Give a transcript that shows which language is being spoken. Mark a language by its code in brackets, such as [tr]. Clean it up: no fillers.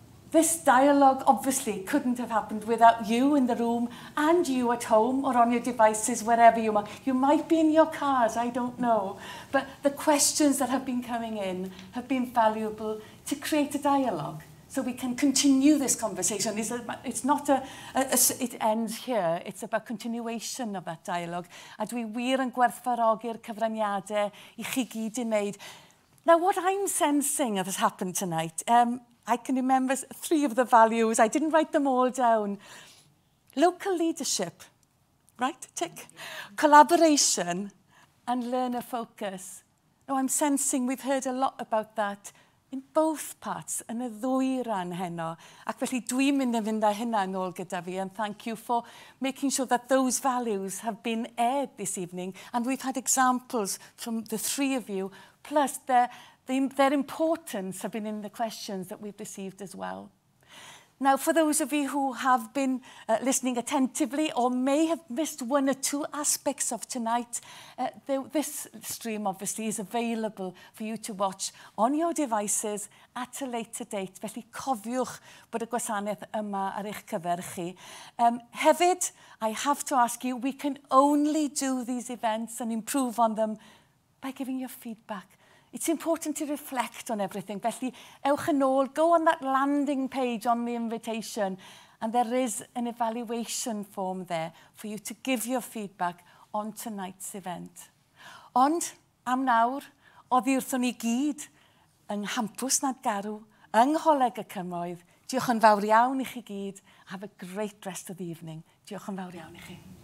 [en] This dialogue obviously couldn't have happened without you in the room and you at home or on your devices, wherever you are. You might be in your cars, I don't know. But the questions that have been coming in have been valuable to create a dialogue. so we can continue this conversation. It's not it ends here. It's about continuation of that dialogue. [cy] A dwi wir yn gwerthfawrogi'r cyfraniadau I chi gyd I wneud. [en] Now, what I'm sensing that has happened tonight, I can remember three of the values. I didn't write them all down. Local leadership, right? Tick. Collaboration and learner focus. Now, I'm sensing we've heard a lot about that in both parts, [cy] yn y ddwy ran heno. Ac felly dwi'n mynd yn fynd â hynna yn ôl gyda fi, [en] and thank you for making sure that those values have been aired this evening. And we've had examples from the three of you, plus their importance have been in the questions that we've received as well. Now, for those of you who have been listening attentively or may have missed one or two aspects of tonight, this stream obviously is available for you to watch on your devices at a later date. [cy] Felly cofiwch bod y gwasanaeth yma ar eich cyfer chi. Hefyd, [en] I have to ask you, we can only do these events and improve on them by giving your feedback. It's important to reflect on everything. [cy] Felly, ewch yn ôl, [en] go on that landing page on the invitation, and there is an evaluation form there for you to give your feedback on tonight's event. [cy] Ond, am nawr, oddi wrthon ni gyd yng Nghampws nad garw, yng Ngholeg y Cymoedd. Diolch yn fawr iawn I chi gyd. [en] Have a great rest of the evening. [cy] Diolch yn fawr iawn I chi.